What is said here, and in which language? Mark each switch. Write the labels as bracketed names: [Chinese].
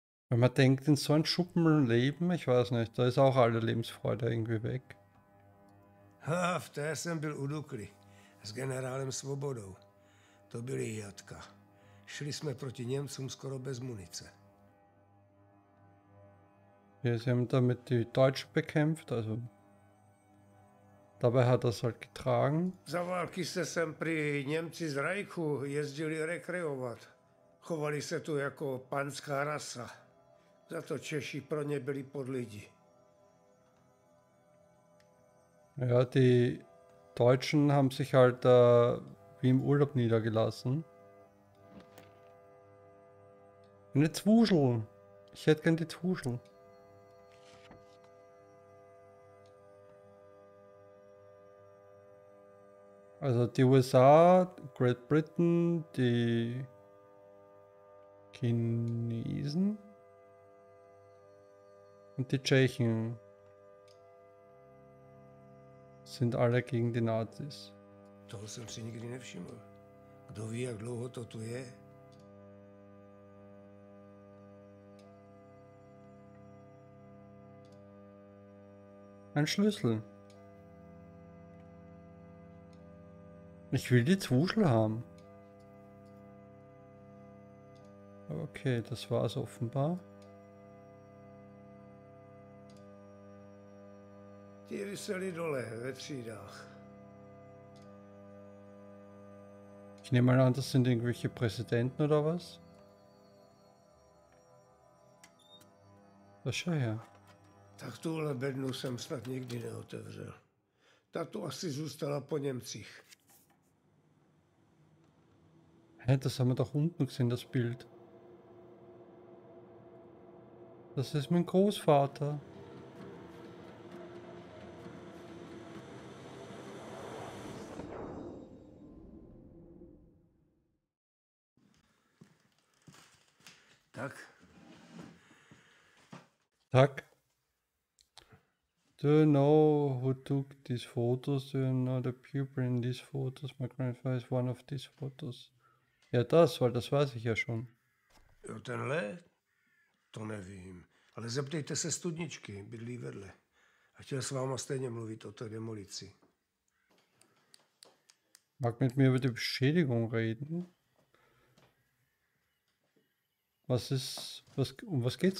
[German] Wenn man denkt, in so ein Schuppen leben, ich weiß nicht, da ist auch alle Lebensfreude irgendwie weg. [Czech] Ha, v té jsem byl u Dukly, s generálem Svobodou. To byly jatka. Šli jsme proti Němcům skoro bez munice. [German] Ja, sie haben damit die Deutschen bekämpft, also dabei hat er es halt getragen. [Czech] Za války se sem pri Němci z Reichu jezdili rekreovat. Chovali se tu jako panská rasa. Za to Češi pro ně byli pod lidi. [German] Ja, die Deutschen haben sich halt wie im Urlaub niedergelassen. Eine Zwuschel. Ich hätte gerne die Zwuschel. Also die USA, Great Britain, die Chinesen und die Tschechen sind alle gegen die Nazis. [Czech] Toho jsem si nikdy nevšiml. Kdo ví, jak dlouho to tu je? [German] Ein Schlüssel. Ich will die Zwuschel haben. Okay, das war's offenbar. [Czech] Ti viseli dole ve třídách. [German] Ich nehme mal an, das sind irgendwelche Präsidenten oder was? Was schau her. [Czech] Tak tuhle bednu jsem snad nikdy neotevřel. Ta tu asi zůstala po Němcích. [German] Hä, das haben wir doch unten gesehen, das Bild. Das ist mein Großvater. [Czech] Tak. [English] Tak. Do you know who took these photos? Do you know the pupil in these photos? My grandfather is one of these photos. [German] Ja, das, weil das weiß ich ja schon. [Czech] Jo, tenhle? To nevím. Ale zeptejte se studničky, bydlí vedle. A chtěl s váma stejně mluvit o té demolici. [German] Mag mit mir über die Beschädigung reden? Was ist, was, um was geht's?